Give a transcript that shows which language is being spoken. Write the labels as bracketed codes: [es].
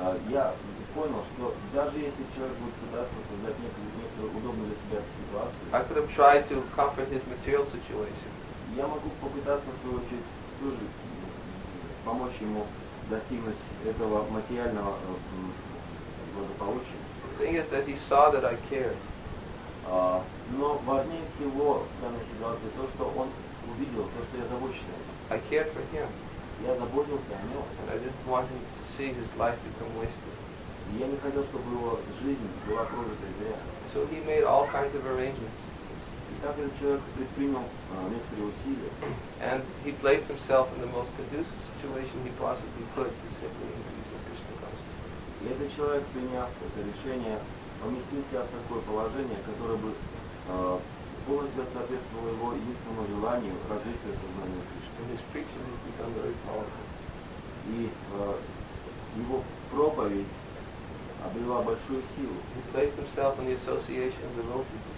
[ru] я понял, что даже если человек будет пытаться создать некую удобную для себя ситуацию, [en] I could have tried to comfort his material situation. [ru] Я могу попытаться в свою очередь тоже помочь ему достигнуть этого материального благополучия. [en] The thing is that he saw that I cared. [ru] Но важнее всего в данной ситуации то, что он увидел, то, что я забочусь о нем. [en] I cared for him. [ru] Я заботился о нем. [en] And I didn't want him to see his life become wasted. [ru] Я не хотел, чтобы его жизнь была прожита зря. [en] So he made all kinds of arrangements. [ru] И так этот человек предпринял некоторые усилия. [en] And he placed himself in the most conducive situation he possibly could to simply increase his Krishna consciousness. [ru] И этот человек, приняв это решение, поместился в такое положение, которое бы полностью соответствовало его единственному желанию развития сознания Кришны. [en] And his preaching has become very powerful. [ru] И его проповедь обрела большую силу. [en] He placed himself in the association of devotees.